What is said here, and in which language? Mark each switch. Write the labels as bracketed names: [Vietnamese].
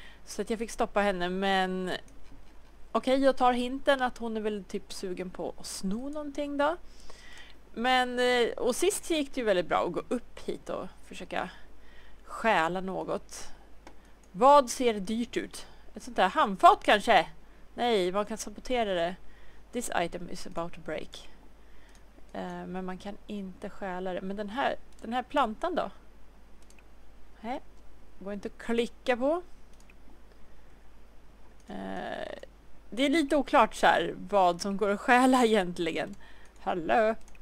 [Swedish] Så att jag fick stoppa henne, men... Okej, jag tar hinten att hon är väl typ sugen på att sno någonting då. Men, och sist gick det ju väldigt bra att gå upp hit och försöka stjäla något. Vad ser dyrt ut? Ett sånt där handfat kanske? Nej, man kan sabotera det. [English] This item is about to break. [Swedish] Men man kan inte stjäla det. Men den här plantan då? Nej, går inte att klicka på. Det är lite oklart så här vad som går att stjäla egentligen. Hallå?